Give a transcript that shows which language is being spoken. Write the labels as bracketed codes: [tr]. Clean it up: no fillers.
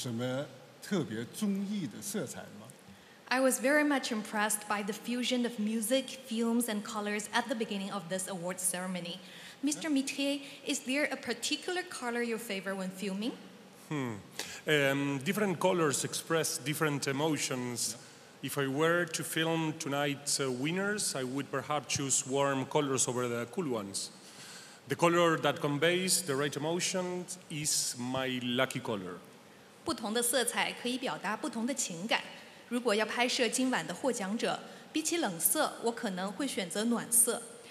[zh] 在今天颁奖典礼的开场，我们看到了音乐、电影与色彩的融合，给我们留下了深刻的印象。我想问一下米特瑞先生，你在拍摄电影时有什么特别中意的色彩吗？ [en] I was very much impressed by the fusion of music, films, and colors at the beginning of this awards ceremony. Mr. Mitre, is there a particular color you favor when filming? Different colors express different emotions. Yeah. If I were to film tonight's winners, I would perhaps choose warm colors over the cool ones. The color that conveys the right emotions is my lucky color. [zh] 不同的色彩可以表达不同的情感。如果要拍摄今晚的获奖者，比起冷色，我可能会选择暖色。